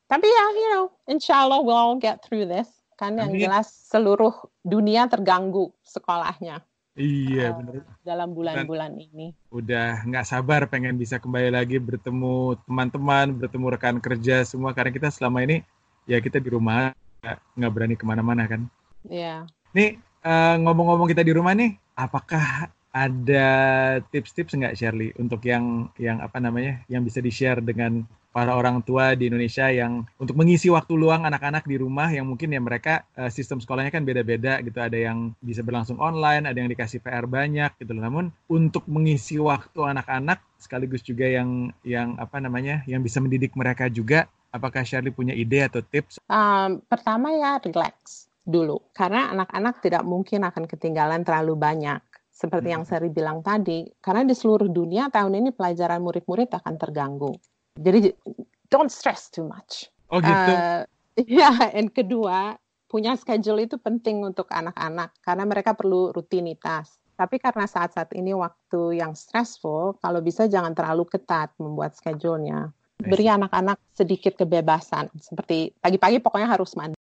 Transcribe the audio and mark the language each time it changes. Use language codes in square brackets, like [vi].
[id] Tapi ya, [en] you know, insya Allah we'll all get through this. [id] Kan yang jelas seluruh dunia terganggu sekolahnya. Iya, benar. Dalam bulan-bulan ini. Udah nggak sabar pengen bisa kembali lagi bertemu teman-teman, bertemu rekan kerja semua. Karena kita selama ini, ya kita di rumah, nggak berani kemana-mana kan. Nih, ngomong-ngomong kita di rumah nih, apakah ada tips-tips nggak, Shirley, untuk yang apa namanya, yang bisa di-share dengan para orang tua di Indonesia yang untuk mengisi waktu luang anak-anak di rumah yang mungkin ya mereka sistem sekolahnya kan beda-beda gitu, ada yang bisa berlangsung online, ada yang dikasih PR banyak gitu loh. Namun untuk mengisi waktu anak-anak sekaligus juga yang apa namanya, yang bisa mendidik mereka juga, apakah Shirley punya ide atau tips? Pertama ya, relax dulu. Karena anak-anak tidak mungkin akan ketinggalan terlalu banyak. Seperti yang Sari bilang tadi, karena di seluruh dunia tahun ini pelajaran murid-murid akan terganggu. Jadi, [en] don't stress too much. [id] Oh gitu. And kedua, punya schedule itu penting untuk anak-anak karena mereka perlu rutinitas. Tapi karena saat-saat ini waktu yang stressful, kalau bisa jangan terlalu ketat membuat schedule-nya. Beri anak-anak sedikit kebebasan. Seperti pagi-pagi pokoknya harus mandi.